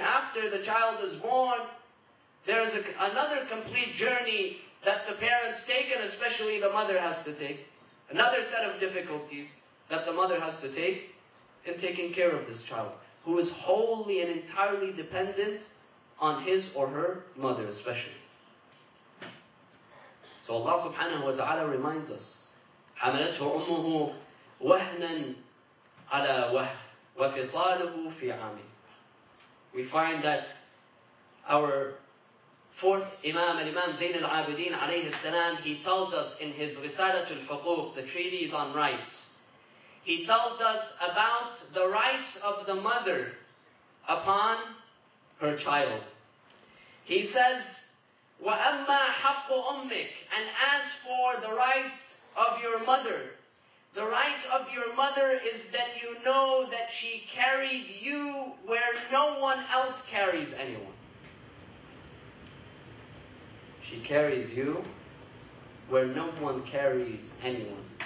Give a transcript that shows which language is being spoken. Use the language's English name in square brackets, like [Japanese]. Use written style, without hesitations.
[English] After the child is born, there is another complete journey that the parents take, and especially the mother has to take. Another set of difficulties that the mother has to take in taking care of this child, who is wholly and entirely dependent on his or her mother especially. So Allah subhanahu wa ta'ala reminds us, [Arabic] حَمَلَتْهُ أُمُّهُ وَهْنًا عَلَى وَهْنٍ وَفِصَالُهُ فِي عَامٍ. [English] We find that our fourth Imam, Imam Zain al-Abidin alayhi salam, he tells us in his Risalatul Huquq, the treatise on rights, he tells us about the rights of the mother upon her child. He says, [Arabic] وَأَمَّا حَقُّ أُمِّكَ. [English] And as for the rights of your mother, the right of your mother is that you know that she carried you where no one else carries anyone. She carries you where no one carries anyone.